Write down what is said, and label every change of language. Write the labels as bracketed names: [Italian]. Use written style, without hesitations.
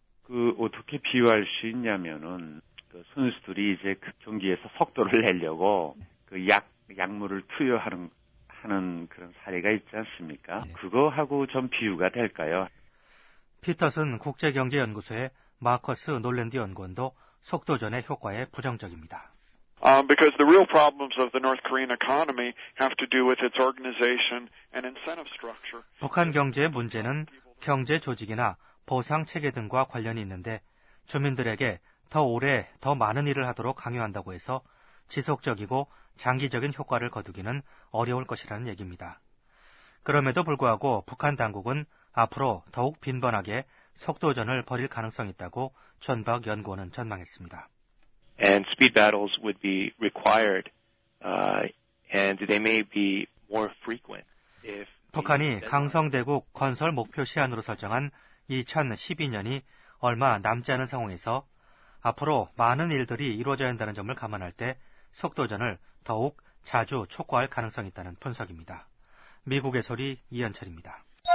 [Korean] 그 어떻게 비유할 수 있냐면은 그 선수들이 이제 경기에서 속도를 내려고 그 약물을 투여하는 그런 사례가 있지 않습니까? 네. 그거하고 좀 비유가 될까요? 피터슨 국제경제연구소의 마커스 놀랜드 연구원도 속도전의 효과에 부정적입니다. [English] Because the real problems of the North Korean economy have to do with its organization and incentive structure. [Korean] 북한 경제의 문제는 경제 조직이나 보상 체계 등과 관련이 있는데 주민들에게 더 오래 더 많은 일을 하도록 강요한다고 해서 지속적이고 장기적인 효과를 거두기는 어려울 것이라는 얘기입니다. 그럼에도 불구하고 북한 당국은 앞으로 더욱 빈번하게 속도전을 벌일 가능성이 있다고 존 박 연구원은 전망했습니다. [English] And speed battles would be required, and they may be more frequent. If [Korean] 북한이 강성대국 건설 목표 시한으로 설정한 2012년이 얼마 남지 않은 상황에서 앞으로 많은 일들이 이루어져야 한다는 점을 감안할 때 속도전을 더욱 자주 촉구할 가능성이 있다는 분석입니다. 미국의 소리 이현철입니다.